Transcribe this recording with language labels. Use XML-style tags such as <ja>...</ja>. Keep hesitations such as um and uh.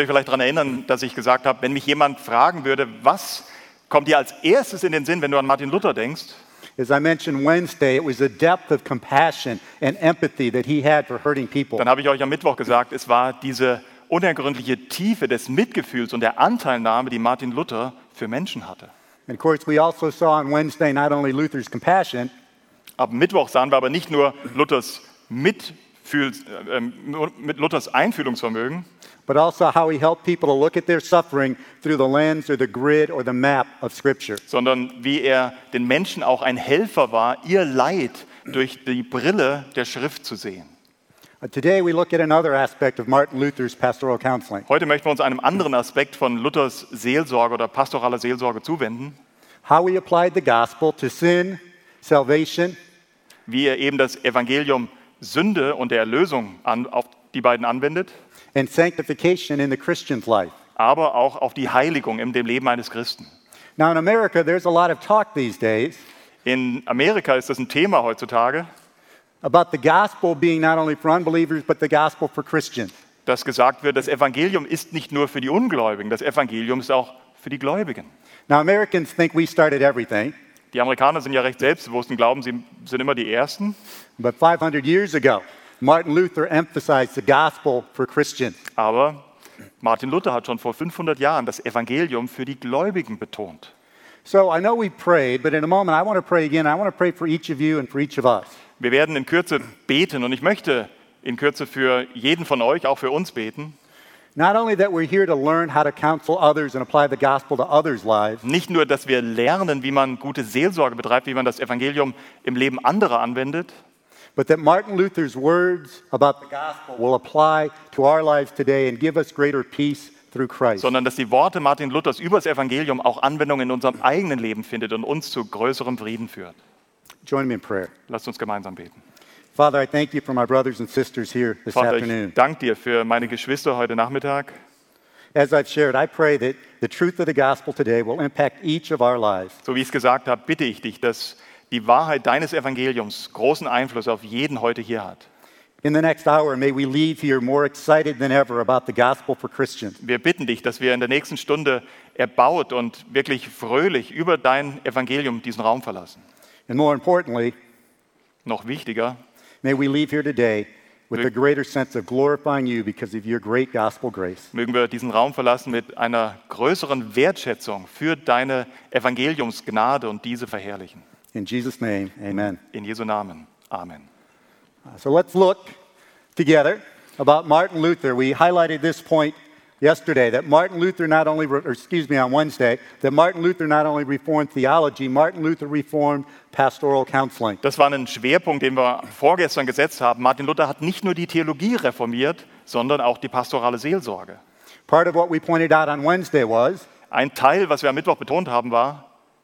<de>euch vielleicht daran erinnern, dass ich gesagt habe, wenn mich jemand fragen würde, was kommt dir als erstes in den Sinn, wenn du an Martin Luther denkst? Dann habe ich euch am Mittwoch gesagt, es war diese unergründliche Tiefe des Mitgefühls und der Anteilnahme, die Martin Luther für Menschen hatte.</de> <en>And of course, we also saw on Wednesday not only Luther's compassion.</en> <de>Ab Mittwoch sahen wir aber nicht nur Luthers Mitfühl, äh, mit Luthers Einfühlungsvermögen sondern wie er den menschen auch ein helfer war ihr leid durch die brille der schrift zu sehen</de> <en>today we look at another aspect of martin luther's pastoral counseling</en> <de>heute möchten wir uns einem anderen aspekt von luthers seelsorge oder pastoraler seelsorge zuwenden</de> <en>how we applied the gospel to sin salvation</en> <de>wie er eben das evangelium sünde und der erlösung an, auf die beiden anwendet</de> <en>and sanctification in the Christian's life.</en> <de>Aber auch auf die Heiligung in dem Leben eines Christen.</de> <en>Now in America, there's a lot of talk these days.</en> <de>In Amerika ist das ein Thema heutzutage.</de> <en>About the gospel being not only for unbelievers, but the gospel for Christians.</en> <de>Das gesagt wird, das Evangelium ist nicht nur für die Ungläubigen, das Evangelium ist auch für die Gläubigen.</de> <en>Now Americans think we started everything.</en> <de>Die Amerikaner sind ja recht selbstbewusst und glauben, sie sind immer die Ersten.</de> <en>But 500 years ago. Martin Luther emphasized the gospel for Christians.</en> <de>Aber Martin Luther hat schon vor 500 Jahren das Evangelium für die Gläubigen betont.</de> <en>So we pray, a moment</en> <de>wir werden in Kürze beten und ich möchte in Kürze für jeden von euch auch für uns beten. Lives, nicht nur dass wir lernen, wie man gute Seelsorge betreibt, wie man das Evangelium im Leben anderer anwendet. Sondern dass die Worte Martin Luthers über das Evangelium auch Anwendung in unserem eigenen Leben findet und uns zu größerem Frieden führt.</de> <en>Join me in prayer.</en> <de>Lasst uns gemeinsam beten.</de> <en>Father, I thank you for my brothers and sisters here this Vater, afternoon.</en> <de>Ich danke dir für meine Geschwister heute Nachmittag.</de> <en>As I've shared, I pray that the truth of the gospel today will impact each of our lives.</en> <de>So wie ich gesagt habe, bitte ich dich, dass die Wahrheit deines Evangeliums großen Einfluss auf jeden heute hier hat. In der nächsten Stunde mögen wir hier mehr more als than ever über the gospel für Christen. Wir bitten dich, dass wir in der nächsten Stunde erbaut und wirklich fröhlich über dein Evangelium diesen Raum verlassen. And noch wichtiger, Mögen wir diesen Raum verlassen mit einer größeren Wertschätzung für deine Evangeliumsgnade und diese verherrlichen.</de> <en>In Jesus' name, amen. In Jesus' name, amen. So let's look together about Martin Luther. We highlighted this point yesterday that Martin Luther not only, excuse me, on Wednesday, that Martin Luther not only reformed theology, Martin Luther reformed pastoral counseling.</en> <de>Das war ein Schwerpunkt, den wir vorgestern gesetzt haben. Martin Luther hat nicht nur die Theologie reformiert, sondern auch die pastorale Seelsorge.</de> <en>Part of what we pointed out on Wednesday was,</en> <de>ein Teil, was wir am Mittwoch betont haben, war,</de>